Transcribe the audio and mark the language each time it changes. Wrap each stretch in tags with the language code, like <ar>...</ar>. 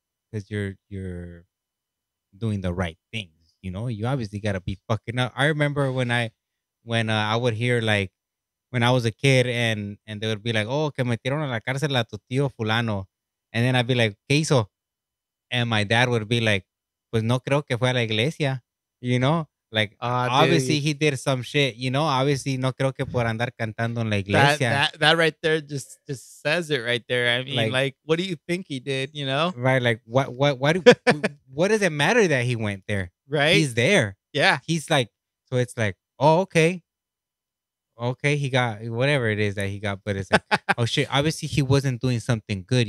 <en>Because you're doing the right things. You know, you obviously gotta be fucking up. I remember when I would hear like when I was a kid and they would be like, oh,</en> <es>que metieron a la cárcel a tu tío fulano,</es> <en>and then I'd be like,</en> <es>¿qué hizo?</es> <en>And my dad would be like,</en> <es>pues no creo que fue a la iglesia,</es> <en>you know? Like, obviously, dude. He did some shit, you know?</en> <es>Obviously, no creo que por andar cantando en la iglesia.</es> <en>That right there just says it right there. I mean, like, what do you think he did, you know? Right, like, what does it matter that he went there? Right? He's there. Yeah. He's like, so it's like, oh, okay. Okay, he got whatever it is that he got, but it's like, oh shit, obviously he wasn't doing something good.</en>